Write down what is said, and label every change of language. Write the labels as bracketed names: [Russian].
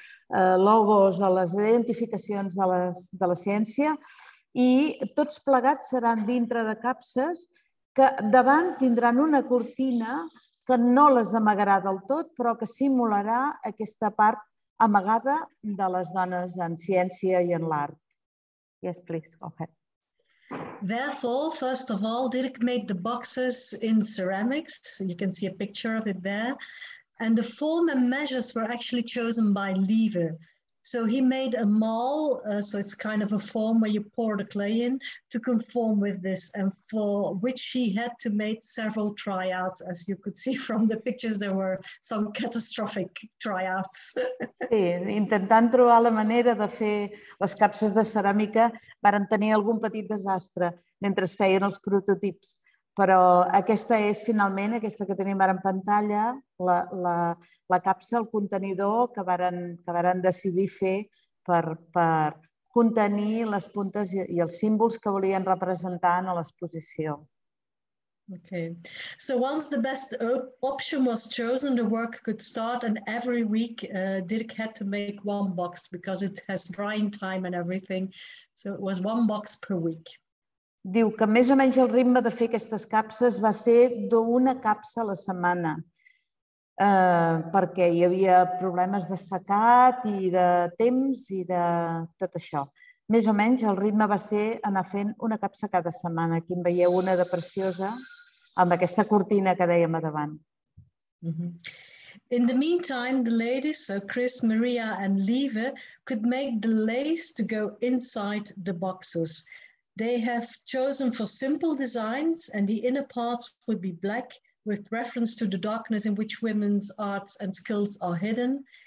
[Catalan] logos de les identificacions de la ciència, i tots plegats seran dintre de capses que davant tindran una cortina que no les amagarà del tot, però que simularà aquesta part amagada de les dones en ciència i en l'art. [English] Yes, please, go ahead. Therefore, first of all, Dirk made the boxes in ceramics. You can see a picture of it there. And the form and measures were actually chosen by LIEVE. So he made a mold, so it's kind of a form where you pour the clay in to conform with this, and for which he had to make several tryouts. As you could see from the pictures, there were some catastrophic tryouts. [Catalan] Sí, intentant trobar la manera de fer les capses de ceràmica, varen tenir algun petit desastre mentre feien els prototips. Però aquesta és finalment, aquesta que tenim ara en pantalla, la capsa, el contenidor que varen decidir fer per contenir les puntes i els símbols que volien representar en l'exposició. [English] Okay. So once the best option was chosen, the work could start, and every week Dirk had to make one box because it has drying time and everything. So it was one box per week. [Catalan] Diu que més o menys el ritme de fer aquestes capses va ser d'una capsa a la setmana, perquè hi havia problemes de secat i de temps i de tot això. Més o menys el ritme va ser anar fent una capsa cada setmana. Aquí en veieu una de preciosa amb aquesta cortina que dèiem a davant. [English] In the meantime, the ladies, so Chris, Maria and LIEVE, could make the lace to go inside the boxes. They have chosen for simple designs, and the inner parts would be black with reference to the darkness in which women's arts and skills are hidden.